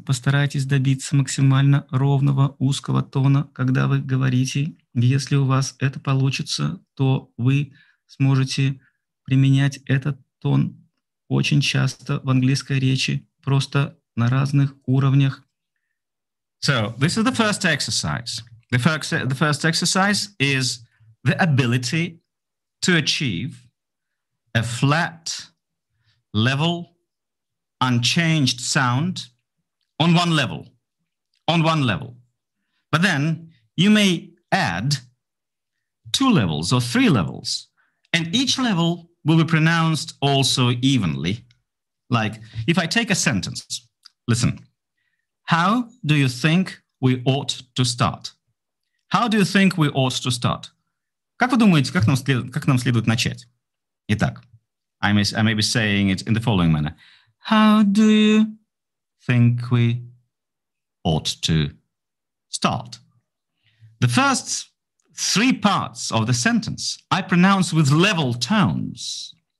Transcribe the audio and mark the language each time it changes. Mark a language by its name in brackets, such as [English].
[Russian] Постарайтесь добиться максимально ровного узкого тона, когда вы говорите. Если у вас это получится, то вы сможете применять этот тон очень часто в английской речи, просто на разных уровнях. [English] So, this is the first exercise. The first exercise is the ability to achieve a flat, level, unchanged sound on one level, But then you may add two levels or three levels, and each level will be pronounced also evenly Like, if I take a sentence, listen, how do you think we ought to start? How do you think we ought to start? [Russian] Как вы думаете, как нам следует начать? [English] Итак, I may be saying it in the following manner. How do you think we ought to start? The first three parts of the sentence I pronounce with level tones.